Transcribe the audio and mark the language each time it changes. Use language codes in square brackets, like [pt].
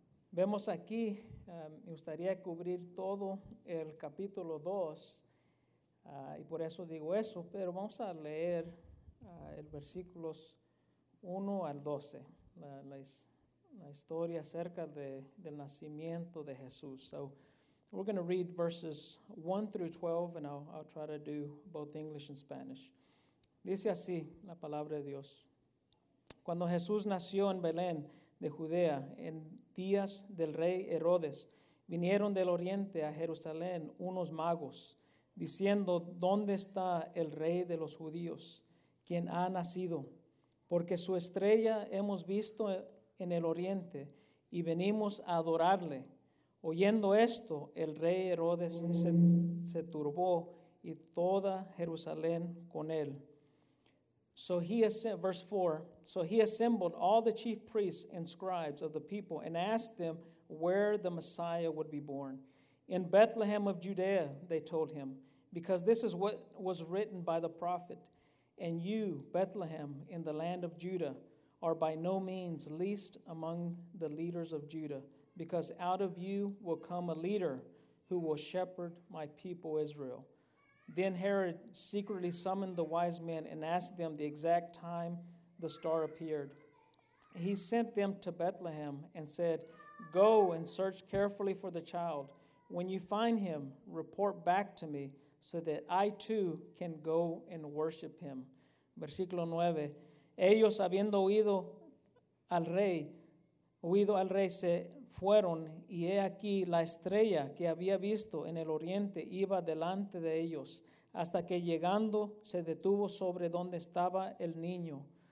[es] Vemos aquí, me gustaría cubrir todo el capítulo 2, y por eso digo eso, pero vamos a leer el versículos 1 al 12, la historia acerca del nacimiento de Jesús. [en] So, we're going to read verses 1 through 12, and I'll try to do both English and Spanish. [es] Dice así la palabra de Dios. Cuando Jesús nació en Belén de Judea, en días del rey Herodes, vinieron del oriente a Jerusalén unos magos, diciendo, ¿dónde está el rey de los judíos, quien ha nacido? Porque su estrella hemos visto en el oriente, y venimos a adorarle. Oyendo esto, el rey Herodes se turbó, y toda Jerusalén con él. [en] So he assembled all the chief priests and scribes of the people and asked them where the Messiah would be born. In Bethlehem of Judea, they told him, because this is what was written by the prophet. And you, Bethlehem, in the land of Judah, are by no means least among the leaders of Judah, because out of you will come a leader who will shepherd my people Israel. Then Herod secretly summoned the wise men and asked them the exact time the star appeared. He sent them to Bethlehem and said, go and search carefully for the child. When you find him, report back to me so that I too can go and worship him. [es] Versículo 9. Ellos habiendo oído al rey, se fueron, y he aquí la estrella que había visto en el oriente iba delante de ellos, hasta que llegando se detuvo sobre donde estaba el niño.